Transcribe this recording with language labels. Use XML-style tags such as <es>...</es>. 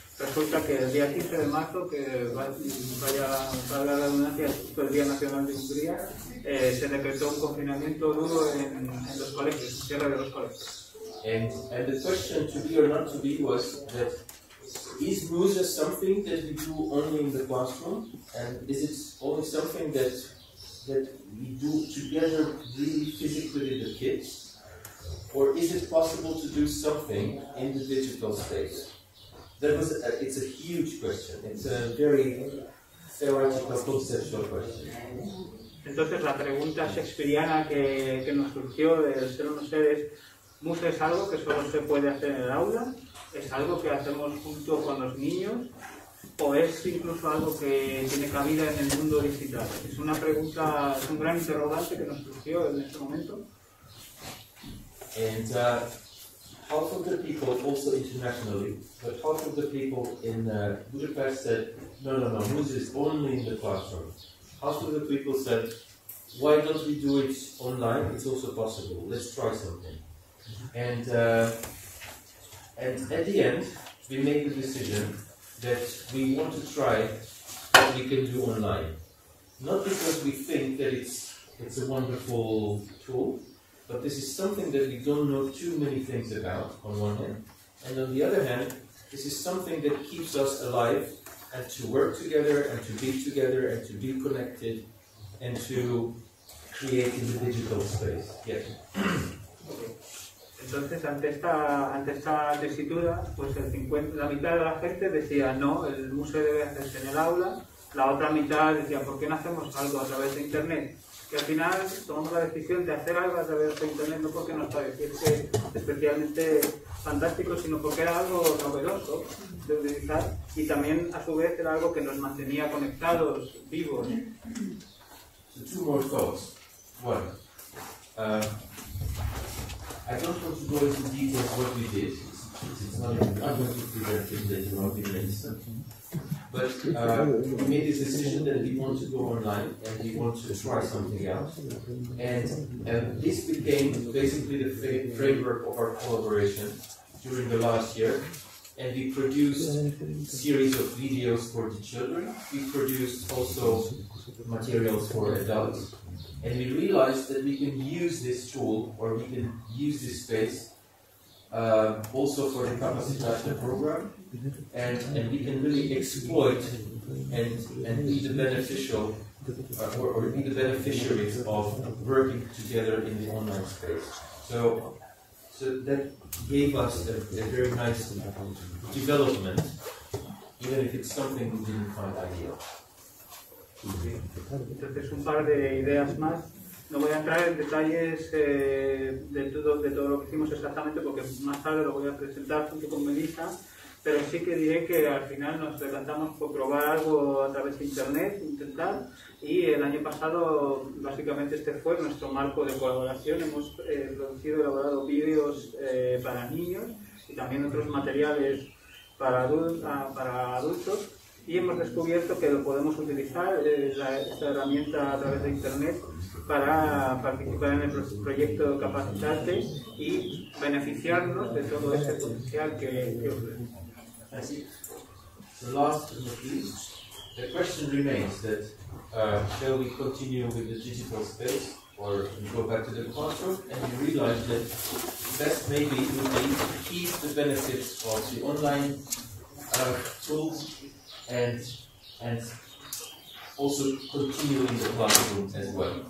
<es>Resulta que el día 15 de marzo, que va a la redundancia, el Día Nacional de Hungría, se decretó un confinamiento duro en los colegios, en cierre de los colegios.</es> <en>And the question to be or not to be was that, is MUSE something that we do only in the classroom? And is it only something that we do together really physically with the kids? Or is it possible to do something in the digital space? That was it's a huge question. It's a very theoretical, conceptual question.</en> <es>Entonces la pregunta shakespeariana que nos surgió del ser o no ser es, ¿MUSE es algo que solo se puede hacer en el aula? ¿Es algo que hacemos junto con los niños? ¿O es incluso algo que tiene cabida en el mundo digital? Es una pregunta, es un gran interrogante que nos surgió en este momento.</es> <en>And, half of the people, also internationally, but half of the people in Budapest said, no, MUSE is only in the classroom. Half of the people said, why don't we do it online? It's also possible. Let's try something. And at the end, we made the decision that we want to try what we can do online. Not because we think that it's a wonderful tool, but this is something that we don't know too many things about, on one hand. And on the other hand, this is something that keeps us alive and to work together and to be together and to be connected and to create in the digital space. Yes.</en> <es>Entonces, ante esta tesitura, pues el 50, la mitad de la gente decía no, el MUSE debe hacerse en el aula. La otra mitad decía, ¿por qué no hacemos algo a través de Internet? Que al final tomamos la decisión de hacer algo a través de Internet, no porque nos pareciese especialmente fantástico, sino porque era algo novedoso de utilizar y también a su vez era algo que nos mantenía conectados, vivos.</es> <en>So two more thoughts. One, I don't want to go into details what we did. It's not going to present it later on in the instant. But we made this decision that we want to go online and we want to try something else. And this became basically the framework of our collaboration during the last year. And we produced a series of videos for the children. We produced also materials for adults. And we realized that we can use this tool or we can use this space also for the capacitation program, and we can really exploit and be the beneficial or be the beneficiaries of working together in the online space. So that gave us a very nice development, even if it's something we didn't find ideal.</en> <es>Sí. Entonces un par de ideas más. No voy a entrar en detalles de todo lo que hicimos exactamente, porque más tarde lo voy a presentar junto con Melissa, pero sí que diré que al final nos decantamos por probar algo a través de internet, intentar, y el año pasado básicamente este fue nuestro marco de colaboración. Hemos producido y elaborado vídeos para niños y también otros materiales para adultos. Y hemos descubierto que lo podemos utilizar, esta herramienta, a través de internet, para participar en el proyecto Capacitarte y beneficiarnos de todo ese potencial que ofrece.</es> <en>Last but not least, the question remains that shall we continue with the digital space or go back to the classroom? And we realize that best maybe would be to keep the benefits of the online tools and also continue in the classroom as well.</en>